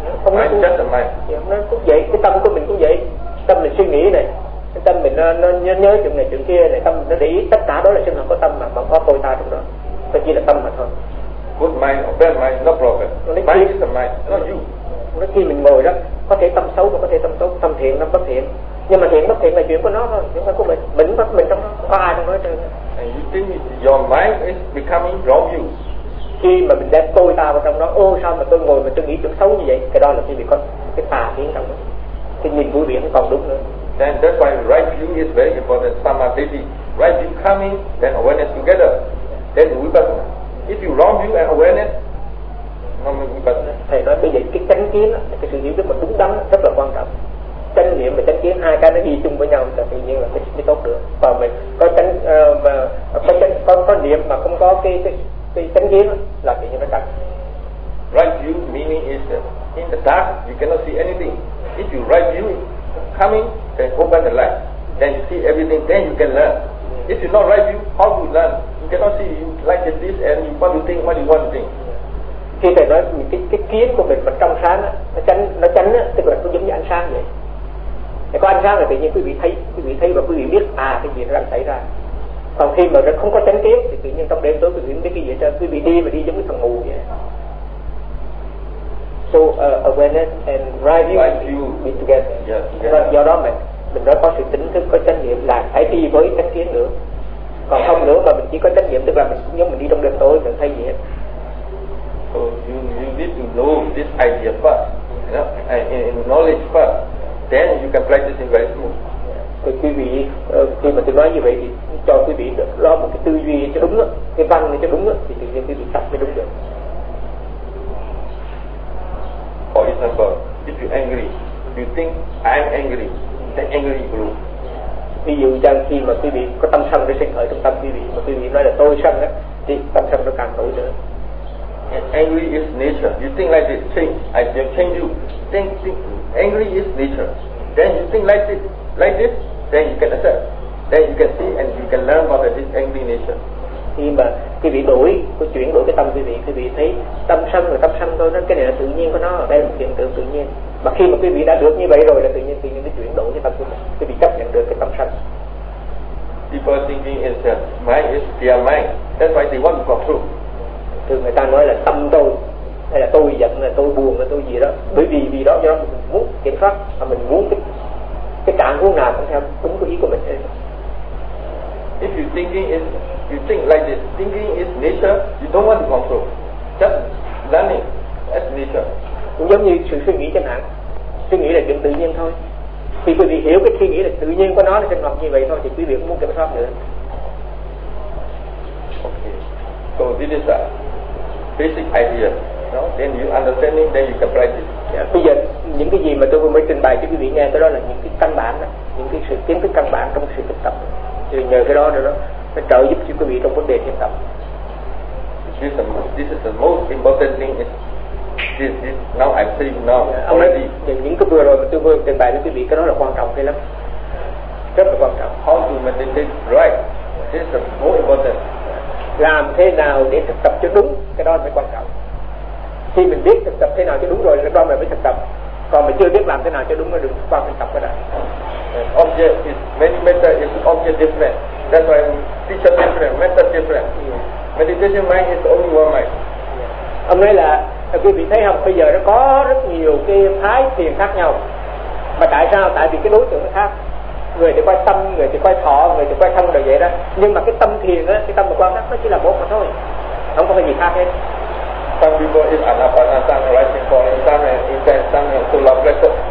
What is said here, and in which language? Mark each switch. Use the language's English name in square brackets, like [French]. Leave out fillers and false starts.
[Vietnamese] Không [English] mind, just the mind. [Vietnamese] Nó cũng vậy, cái tâm của mình cũng vậy, tâm là suy nghĩ này. Cái tâm mình nó nhớ chuyện này chuyện kia này, tâm nó để ý, tất cả đó là sinh hoạt của tâm mà không có tôi ta trong đó, nó chỉ là tâm mà thôi. [English] Good mind or bad mind, no problem. Mind is the mind, not you. [Vietnamese] Nó khi mình ngồi đó, có thể tâm xấu, có thể tâm tốt, tâm thiện, tâm bất thiện. Nhưng mà thiện, bất thiện là chuyện của nó thôi, chuyện của mình bất mình trong đó, không có ai trong đó hết trơn. [English] And you think your mind is becoming wrong you. [Vietnamese] Khi mà mình đem tôi ta vào trong đó, ô sao mà tôi ngồi mà tôi nghĩ chuyện xấu như vậy, cái đó là khi mình có cái tà kiến trong đó. Cái nhìn vui biển còn đúng nữa. [English] Then that's why right view is very important. Samadhi, right view coming, then awareness together. Then vipassana. If you wrong view and awareness, not vipassana. [Vietnamese] Thầy nói bây giờ cái chánh kiến, cái sự hiểu biết mà đúng đắn rất là quan trọng. Chánh niệm và chánh kiến hai cái nó đi chung với nhau thì tự nhiên là cái tốt được. Và mình có chánh và có niệm mà không có cái chánh kiến là tự nhiên nó chặt. [English] Right view meaning is in the dark you cannot see anything. If you right view coming, then open the light, then you see everything, then you can learn. If you not right view, how to learn? You cannot see, you like this and you want to think what you want to think. [Vietnamese] Khi thầy nói cái kiến của mình mà trong sáng á, nó chánh á, tức là nó giống như ánh sáng vậy. Thì có ánh sáng là tự nhiên quý vị thấy và quý vị biết à cái gì nó đang xảy ra. Còn khi mà không có chánh kiến thì tự nhiên trong đêm tối quý vị biết cái gì cho quý vị đi mà đi giống như thằng mù vậy. [English] So awareness and right view be together. Yeah, yeah. [Vietnamese] Do đó mình nói có sự tỉnh thức, có chánh niệm là phải đi với chánh kiến nữa. Còn không nữa mà mình chỉ có chánh niệm, tức là mình giống mình đi trong đêm tối mình thấy gì hết. [English] So you need to know this idea first, in knowledge first, then you can practice in very smooth. [Vietnamese] Yeah. Quý vị khi mà tôi nói như vậy thì cho quý vị lo một cái tư duy cho đúng á, cái văn này cho đúng á, thì tự nhiên quý vị tập mới đúng được. [English] For example, if you angry, you think I'm angry, then angry grew. [Vietnamese] Ví dụ rằng khi mà quý vị có tâm sân để sinh khởi trong tâm quý vị, mà quý vị nói là tôi sân á, thì tâm sân nó càng nổi nữa. [English] And angry is nature. You think like this, change. I just change you. Think. Angry is nature. Then you think like this, then you can accept. Then you can see and you can learn about this angry nature. [Vietnamese] Khi mà quý vị đổi, quý vị chuyển đổi cái tâm quý vị thấy tâm sân là tâm sân thôi, nó cái này là tự nhiên của nó, đây là một hiện tượng tự nhiên. Mà khi mà quý vị đã được như vậy rồi là tự nhiên cái chuyển đổi cái tâm của mình, quý vị chấp nhận được cái tâm sân. [English] People thinking is that mind is their mind, that's why they want to control. [Vietnamese] Thường người ta nói là tâm tôi, hay là tôi giận, là tôi buồn, là tôi gì đó. Bởi vì đó do mình muốn kiểm soát, mà mình muốn cái trạng huống nào cũng theo đúng cái ý của mình. [English] If you thinking is, you think like this, thinking is nature, you don't want to control, just learning, that's nature. [Vietnamese] Cũng giống như sự suy nghĩ chẳng hạn, suy nghĩ là chuyện tự nhiên thôi. Thì quý vị hiểu cái suy nghĩ là tự nhiên của nó là sinh hoạt như vậy thôi, thì quý vị cũng muốn kiểm soát nữa. [English] Okay, so this is a basic idea, no? Then you understanding, then you can practice. [Vietnamese] Yeah. Bây giờ những cái gì mà tôi vừa mới trình bày cho quý vị nghe tới đó là những cái căn bản đó, những cái sự kiến thức căn bản trong sự thực tập. Thì nhờ cái đó nữa nó trợ giúp cho quý vị trong vấn đề thiền tập. [English] This is the most important thing is this now I'm saying now. [Vietnamese] Yeah, ông nói những cái vừa rồi mà tôi vừa trình bày cho quý vị cái đó là quan trọng cái lắm. Rất là quan trọng. [English] How to meditate right? This is the most important. [Vietnamese] Làm thế nào để thực tập cho đúng, cái đó là mới quan trọng. Khi mình biết thực tập thế nào cho đúng rồi, lúc đó mình mới thực tập. Còn mình chưa biết làm thế nào cho đúng, mới đừng qua thực tập cái đó. [English] Object is many matter is object different. That's why teacher different, matter different. Meditation mind is only one mind. [Vietnamese] Ông nói là quý vị thấy không? Bây giờ nó có rất nhiều cái phái thiền khác nhau. Mà tại sao? Tại vì cái đối tượng nó khác. Người thì quay tâm, người thì quay thọ, người thì quay thân rồi vậy đó. Nhưng mà cái tâm thiền á, cái tâm mà quan sát nó chỉ là một mà thôi, không có cái gì khác hết. [English] Some people is anapanasana, rising for insane, intense, some is to love blessed.